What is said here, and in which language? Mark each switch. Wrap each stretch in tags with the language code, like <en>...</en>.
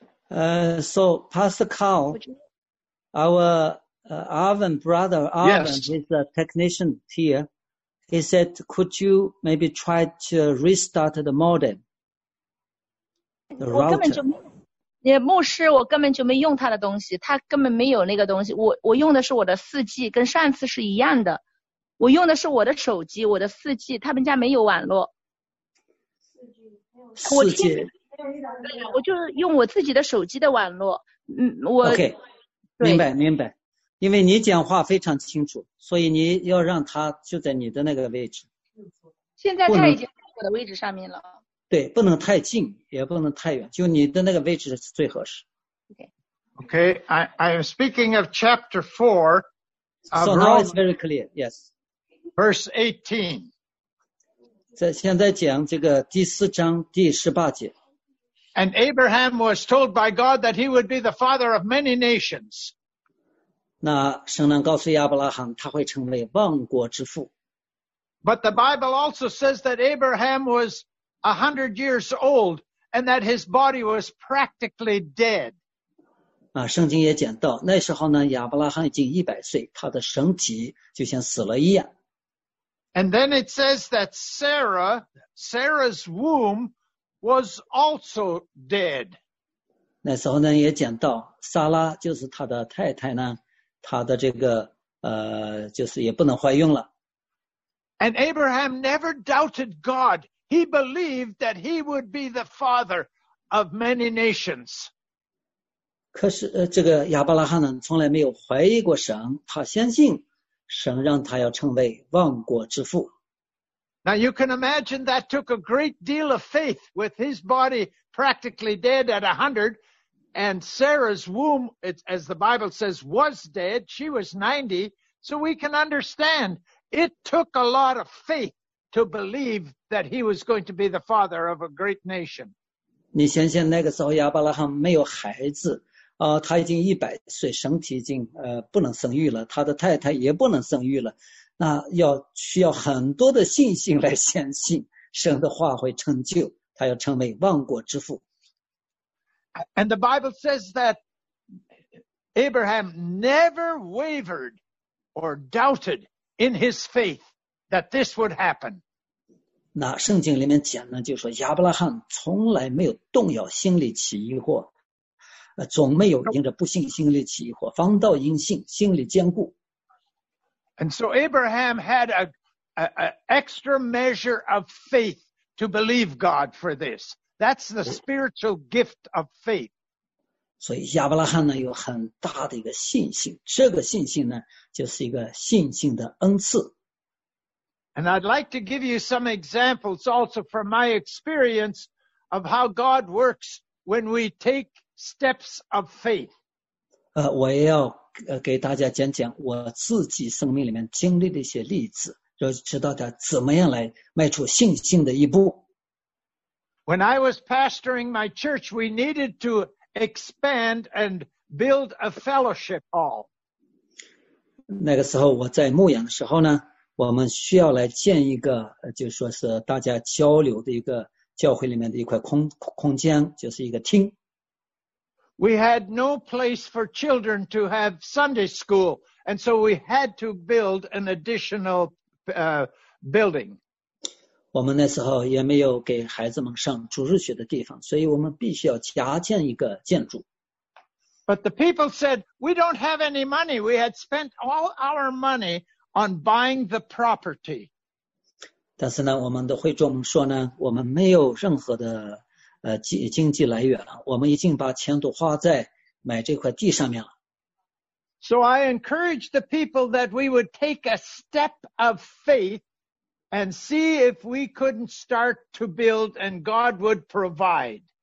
<en>So, Pastor Carl, our Arvin brother, Arvin, yes. He's a technician here. He said, could you maybe try to restart the modem?</en> <zh>牧师我根本就没用他的东西他根本没有那个东西 我用的是我的 4G 跟上次是一样的我用的是我的手机我的 4G 他们家没有网络 4G 我就是用我自己的手机的网络我 OK 明白明白因为你讲话非常清楚所以你要让他就在你的那个位置现在他已经在我的位置上面了对不能太近也不能太远就你的那个位置是最合适。</zh> <en>Okay, I am speaking of chapter 4. So now it's very clear, yes. Verse 18.</en> <zh>现在讲这个第四章第十八节。</zh> <en>And Abraham was told by God that he would be the father of many nations.</en> <zh>那神呢告诉亚伯拉罕他会成为万国之父。</zh> <en>But the Bible also says that Abraham was 100 years old, and that his body was practically dead.</en> <zh>圣经也讲到，那时候呢，亚伯拉罕已经100岁，他的身体就像死了一样。</zh> <en>And then it says that Sarah's womb was also dead.</en> <zh>那时候呢，也讲到，撒拉就是他的太太呢，他的这个就是也不能怀孕了。</zh> <en>And Abraham never doubted God. He believed that he would be the father of many nations.</en> <zh>可是这个亚伯拉罕呢，从来没有怀疑过神，他相信神让他要成为万国之父。</zh> <en>Now you can imagine that took a great deal of faith with his body practically dead at 100 and Sarah's womb, as the Bible says, was dead. She was 90. So we can understand it took a lot of faith to believe that he was going to be the father of a great nation.</en> <zh>你想想那个时候亚伯拉罕没有孩子、他已经100岁身体已经、不能生育了他的太太也不能生育了那要需要很多的信心来相信神的话会成就他要成为万国之父</zh> <en>And the Bible says that Abraham never wavered or doubted in his faith that this would happen</en> <zh>那圣经里面讲呢就是说亚伯拉罕从来没有动摇心里起疑惑总没有因着不信心里起疑惑反倒因信心里坚固</zh> <en>And so Abraham had an extra measure of faith to believe God for this. That's the spiritual gift of faith.</en> <zh>所以亚伯拉罕呢有很大的一个信心，这个信心呢就是一个信心的恩赐。</zh> <en>And I'd like to give you some examples also from my experience of how God works when we take steps of faith.</en> <zh>我也要给大家讲讲我自己生命里面经历的一些例子，就知道他怎么样来迈出信心的一步。</zh> <en>When I was pastoring my church, we needed to expand and build a fellowship hall.</en> <zh>那个时候我在牧养的时候呢，我们需要来建一个，就是说是大家交流的一个教会里面的一块空间，就是一个厅。</zh> <en>We had no place for children to have Sunday school, and so we had to build an additional, building.</en> <zh>我们那时候也没有给孩子们上主日学的地方，所以我们必须要加建一个建筑。</zh> <en>But the people said, we don't have any money. We had spent all our money on buying the property.</en> <zh>但是呢，我们的会众们说呢，我们没有任何的经济来源了，我们已经把钱都花在买这块地上面了。</zh> <en>So I encouraged the people that we would take a step of faith and see if we couldn't start to build and God would provide.</en>